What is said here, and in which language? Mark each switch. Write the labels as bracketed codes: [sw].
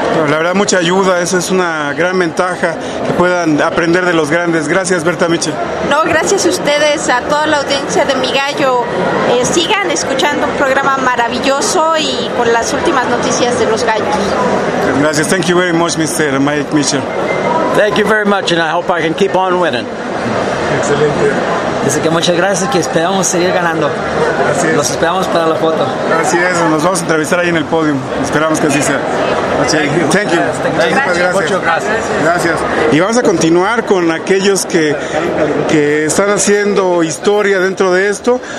[es] La verdad, mucha ayuda, esa es una gran ventaja, que puedan aprender de los grandes. Gracias, Berta Michel. No, gracias a ustedes, a toda la audiencia de Mi Gallo. Sigan escuchando un programa maravilloso y con las últimas noticias de los gallos. Gracias, [en] thank you very much, Mr. Mike Michel. Thank you very much, and I hope I can keep on winning. [es] Excelente. Así que muchas gracias, que esperamos seguir ganando. Así es. Los esperamos para la foto. Así es, nos vamos a entrevistar ahí en el podio. Esperamos que así sea. [en] Thank you. [es] Muchas gracias. Y vamos a continuar con aquellos que están haciendo historia dentro de esto.